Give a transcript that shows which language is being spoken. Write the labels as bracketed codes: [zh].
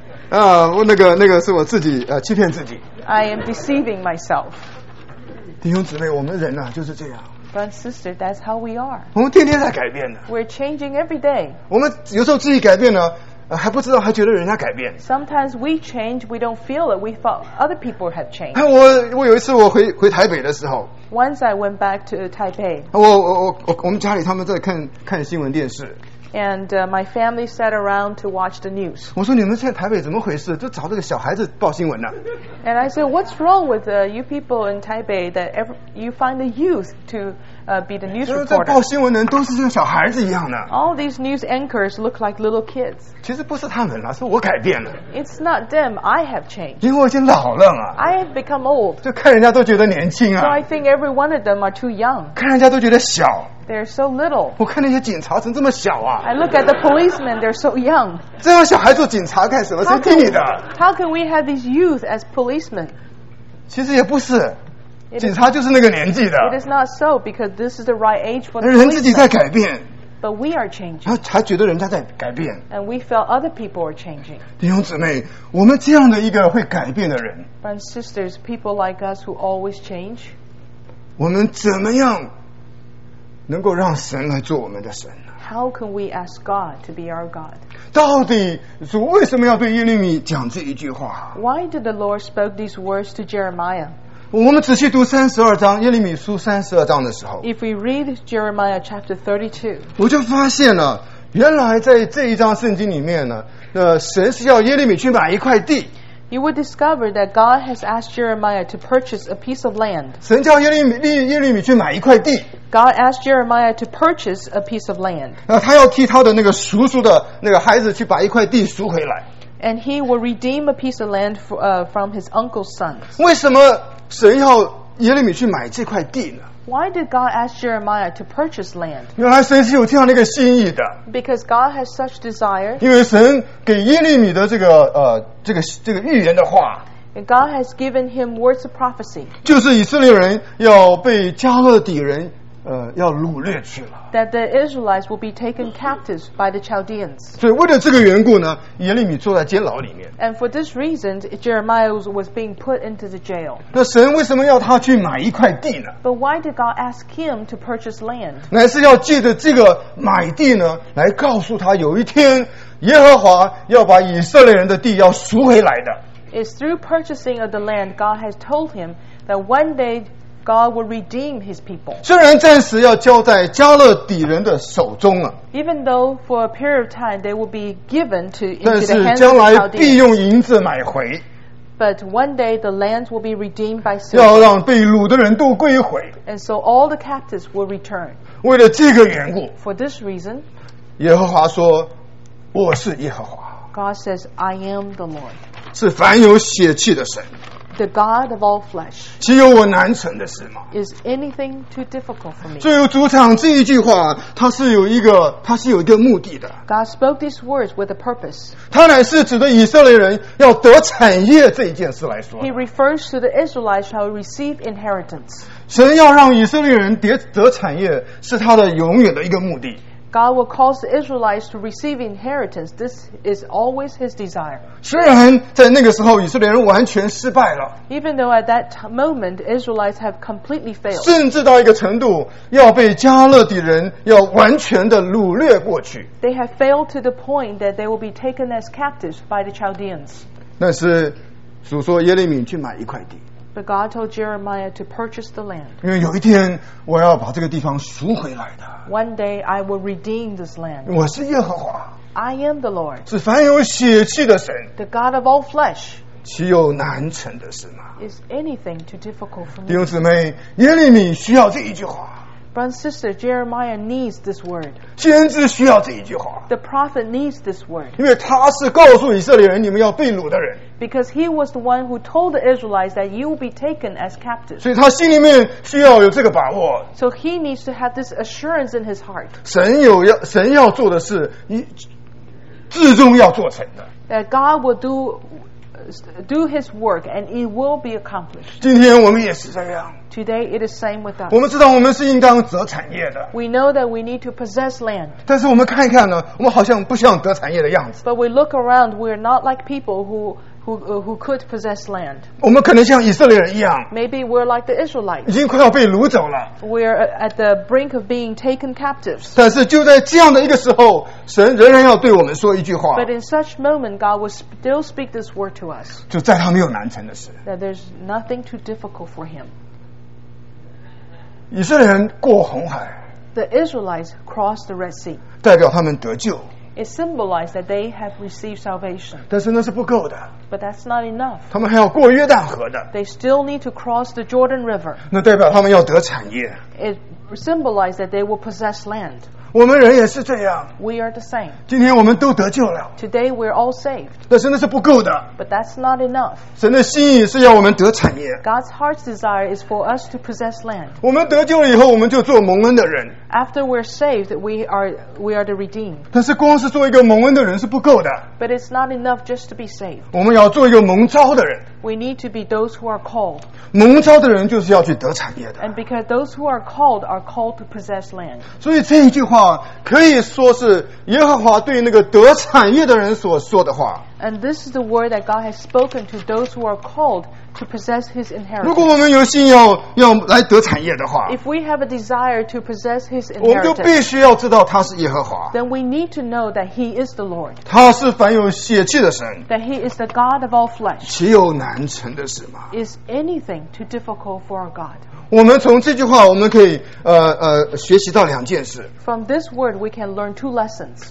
[zh] 那个是我自己欺骗自己。 [en] I am deceiving myself. [zh] 弟兄姊妹，我们人呢、啊、就是这样。 [en] But sister, that's how we are. [zh] 我们天天在改变的。 [en] We're changing every day. [zh] 我们有时候自己改变了。还不知道，还觉得人家改变。 [en] Sometimes we change, we don't feel it. We thought other people have changed. [zh] 我有一次我回台北的时候。 [en] Once I went back to Taipei. [zh] 我们家里他们在看新闻电视。 [en] And my family sat around to watch the news. [zh] 我说你们现在台北怎么回事？就找这个小孩子报新闻呢、啊、 [en] ？And I said, what's wrong with you people in Taipei that you find the youth to be the news reporter? [zh] 就是在报新闻的人都是像小孩子一样的。 [en] All these news anchors look like little kids. [zh] 其实不是他们了，是我改变了。 [en] It's not them, I have changed. [zh] 因为我已经老了嘛。 [en] I have become old. [zh] 就看人家都觉得年轻啊。 [en] So I think every one of them are too young. [zh] 看人家都觉得小。 [en] They're so little. [zh] 我看那些警察怎么这么小啊 [en] ！I look at the policemen; they're so young. [zh] 这样小孩做警察干什么？谁听你的 [en] ？How can we have these youth as policemen? [zh] 其实也不是，警察就是那个年纪的。 [en] It is not so because this is the right age for the policemen. [zh] 人自己在改变。 [en] But we are changing. [zh] 然后还觉得人家在改变。 [en] And we felt other people are changing. [zh] 弟兄姊妹，我们这样的一个会改变的人。 [en] And sisters, people like us who always change. [zh] 我们怎么样？能够让神来做我们的神。 [en] How can we ask God to be our God? [zh] 到底主为什么要对耶利米讲这一句话？ [en] Why did the Lord spoke these words to Jeremiah? [zh] 我们仔细读三十二章耶利米书三十二章的时候， [en] If we read Jeremiah chapter 32, [zh] 我就发现了，原来在这一章圣经里面呢，神是要耶利米去买一块地。 [en] You would discover that God has asked Jeremiah to purchase a piece of land. [zh] 神叫耶利米去买一块地。 [en] God asked Jeremiah to purchase a piece of land. [zh] 他要替他的那个叔叔的那个孩子去把一块地赎回来。 [en] And he will redeem a piece of land from his uncle's sons. [zh] 为什么神要耶利米去买这块地呢？ [en] Why did God ask Jeremiah to purchase land? [zh] 原来神是有这样的一个心意的。 [en] Because God has such desire. [zh] 因为神给耶利米的这个预言的话。 [en] And God has given him words of prophecy. [zh] 就是以色列人要被加勒底人要掳掠去了。 [en] That the Israelites will be taken captives by the Chaldeans. [zh] 所以为了这个缘故呢，耶利米坐在监牢里面。 [en] And for this reason, Jeremiah was being put into the jail. [zh] 那神为什么要他去买一块地呢？ [en] But why did God ask him to purchase land? [zh] 乃是要借着这个买地呢，来告诉他有一天耶和华要把以色列人的地要赎回来的。 [en] It's through purchasing of the land God has told him that one day God will redeem his people. [zh] 虽然暂时要交在加勒底人的手中啊。 [en] Even though for a period of time they will be given to into the hands of the Chaldeans. [zh] 但是将来必用银子买回。 [en] But one day the land will be redeemed by [zh] Syria. 要让被掳的人都归回。 [en] And so all the captives will return. [zh] 为了这个缘故。 [en] For this reason. [zh] 耶和华说，我是耶和华。 [en] God says, I am the Lord. [zh] 是凡有血气的神。 [en] The God of all flesh. [zh] 岂有我难成的事吗？ [en] Is anything too difficult for me? [zh] 最后主场这一句话，它是有一个目的的。 [en] God spoke these words with a purpose. [zh] 它乃是指的以色列人要得产业这一件事来说。 [en] He refers to the Israelites shall receive inheritance. [zh] 神要让以色列人得产业，是他的永远的一个目的。 [en] God will cause the Israelites to receive inheritance. This is always His desire. [zh] 虽然在那个时候以色列人完全失败了。 [en] Even though at that moment Israelites have completely failed. [zh] 甚至到一个程度要被加勒底人要完全的掳掠过去。 [en] They have failed to the point that they will be taken as captives by the Chaldeans. [zh] 但是主说耶利米去买一块地。 [en] But God told Jeremiah to purchase the land. [zh] 因为有一天我要把这个地方赎回来的。 [en] One day I will redeem this land. [zh] 我是耶和华。 [en] I am the Lord. [zh] 是凡有血气的神。 [en] The God of all flesh. [zh] 岂有难成的事吗？ [en] Is anything too difficult for me? [zh] 弟兄姊妹，耶利米需要这一句话。 [en] Brother and sister, Jeremiah needs this word. [zh] 先知需要这一句话。 [en] The prophet needs this word. [zh] 因为他是告诉以色列人你们要被掳的人。 [en] Because he was the one who told the Israelites that you will be taken as captives. [zh] 所以他心里面需要有这个把握。 [en] So he needs to have this assurance in his heart. [zh] 神要做的事，至终要做成的。 [en] That God will do his work and it will be accomplished. [zh] 今天我们也是这样。 [en] Today it is same with us. [zh] 我们知道我们是应当得产业的。 [en] We know that we need to possess land. [zh] 但是我们看一看呢，我们好像不像得产业的样子。 [en] But we look around, we are not like people who who could possess land. [zh] 我们可能像以色列人一样。 [en] Maybe we're like the Israelites. [zh] 已经快要被掳走了。 [en] We're at the brink of being taken captives. [zh] 但是就在这样的一个时候，神仍然要对我们说一句话。 [en] But in such moment, God will still speak this word to us. [zh] 就在他没有难成的事。 [en] That there's nothing too difficult for him. [zh] 以色列人过红海。 [en] The Israelites crossed the Red Sea. [zh] 代表他们得救。 [en] It symbolized that they have received salvation. [zh] 但是那是不够的。 [en] But that's not enough. [zh] 他们还要过约旦河的。 [en] They still need to cross the Jordan River. [zh] 那代表他们要得产业。 [en] It symbolized that they will possess land. [zh] 我们人也是这样。 [en] We are the same. [zh] 今天我们都得救了。 [en] Today we're all saved. [zh] 但是那是不够的。 [en] But that's not enough. [zh] 神的心意是要我们得产业。 [en] God's heart's desire is for us to possess land. [zh] 我们得救了以后，我们就做蒙恩的人。 [en] After we're saved, we are the redeemed. [zh] 但是光是做一个蒙恩的人是不够的。 [en] But it's not enough just to be saved. [zh] 我们要做一个蒙召的人。 [en] We need to be those who are called. [zh] 蒙召的人就是要去得产业的。 [en] And because those who are called to possess land. [zh] 所以这一句话可以说是耶和华对那个得产业的人所说的话。 [en] And this is the word that God has spoken to those who are called to possess His inheritance. [zh] 如果我们有心要来得产业的话， [en] If we have a desire to possess His inheritance, [zh] 我们就必须要知道他是耶和华。 [en] Then we need to know that He is the Lord. [zh] 他是凡有血气的神。 [en] That He is the God of all flesh. [zh] 岂有难成的事吗？ [en] Is anything too difficult for our God? [zh] 我们从这句话我们可以学习到两件事。 [en] From this word we can learn two lessons.